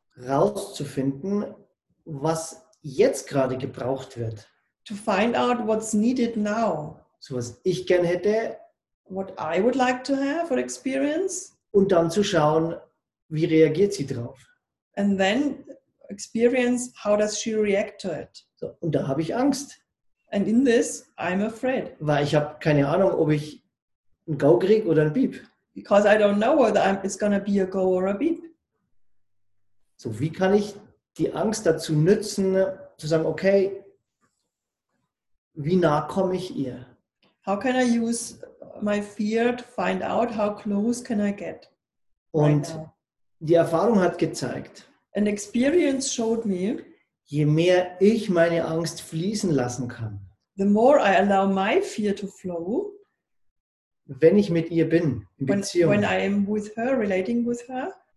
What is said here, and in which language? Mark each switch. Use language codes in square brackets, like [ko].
[de] rauszufinden, was jetzt gerade gebraucht wird. [en] To find out what's needed now. [de] So was ich gern hätte. [en] What I would like to have or experience. [de] Und dann zu schauen, wie reagiert sie drauf. [en] And then experience, how does she react to it. [de] So, und da habe ich Angst. [en] And in this, I'm afraid. [de] Weil ich habe keine Ahnung, ob ich ein Go kriege oder ein Beep. [en] Because I don't know whether it's going to be a go or a beep. [de] So, wie kann ich die Angst dazu nützen, zu sagen, okay, wie nah komme ich ihr? [en] How can I use my fear to find out how close can I get? [de] Und die Erfahrung hat gezeigt, [en] an experience showed me, [de] je mehr ich meine Angst fließen lassen kann, [en] the more I allow my fear to flow, [de] wenn ich mit ihr bin, in Beziehung, [en] when I am with her, relating with her,